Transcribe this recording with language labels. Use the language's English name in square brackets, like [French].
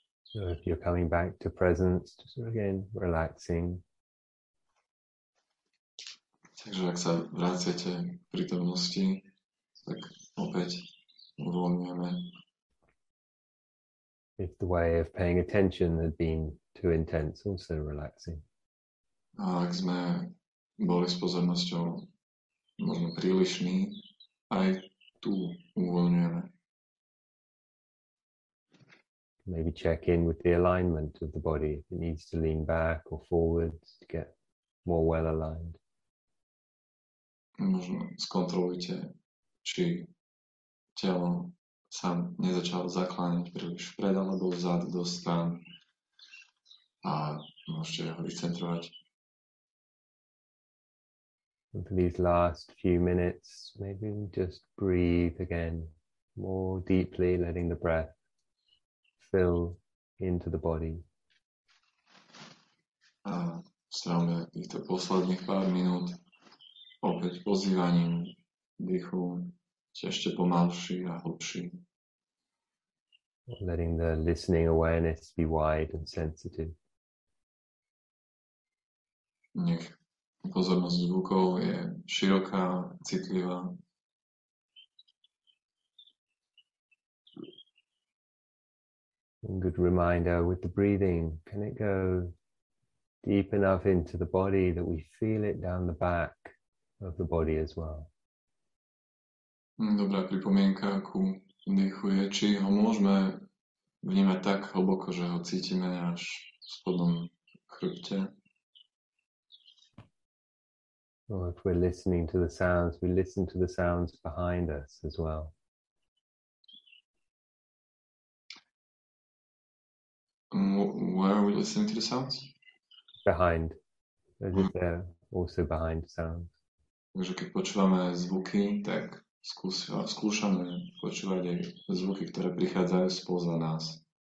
[English] So if you're coming back to presence, just again relaxing. [Slovak] Takže ak sa vraciate k prítomnosti, tak opäť uvoľňujeme. [English] if the way of paying attention had been too intense, also relaxing. [Slovak] A ak sme boli s pozornosťou možno prílišní, aj tu uvoľňujeme. [English] Maybe check in with the alignment of the body. If it needs to lean back or forwards to get more well aligned. [Slovak] Možno skontrolujte, či telo sa nezačalo zakláňať príliš vpred alebo vzad do stran a môžete ho vycentrovať. [English] And for these last few minutes, maybe just breathe again more deeply, letting the breath fill into the body. [Slovak] A strávame týchto posledných pár minút opäť pozývaním dýchu, ešte pomalší a hlbší. [English] Letting the listening awareness be wide and sensitive. [Slovak] Nech pozornosť zvukov je široká, citlivá. [English] Good reminder with the breathing. Can it go deep enough into the body that we feel it down the back of the body as well? [Slovak] Dobrá pripomienka ku dýchu je, či ho môžeme vnímať tak hlboko, že ho cítime až v spodnom chrbte. [English] Or if we're listening to the sounds, we listen to the sounds behind us as well. Where are we listening to the sounds? Behind. As if they're also behind sounds. [Slovak] Takže keď počúvame zvuky, tak skúšame počúvať aj zvuky, ktoré prichádzajú spoza nás.